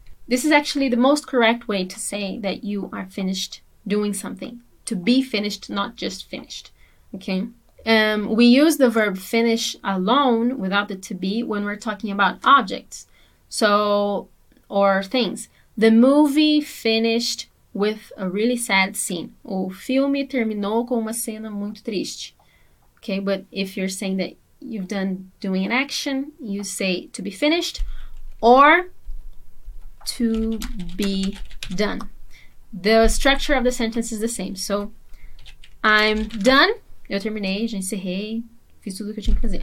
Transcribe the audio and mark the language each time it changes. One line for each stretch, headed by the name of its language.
English: This is actually the most correct way to say that you are finished doing something. To be finished, not just finished. Okay? We use the verb finish alone without the to be when we're talking about objects. So, or things. The movie finished with a really sad scene.
Portuguese: O filme terminou com uma cena muito triste.
English: Okay, but if you're saying that you've done doing an action, you say to be finished or to be done. The structure of the sentence is the same. So, I'm done.
Portuguese: Eu terminei, já encerrei, fiz tudo o que eu tinha que fazer.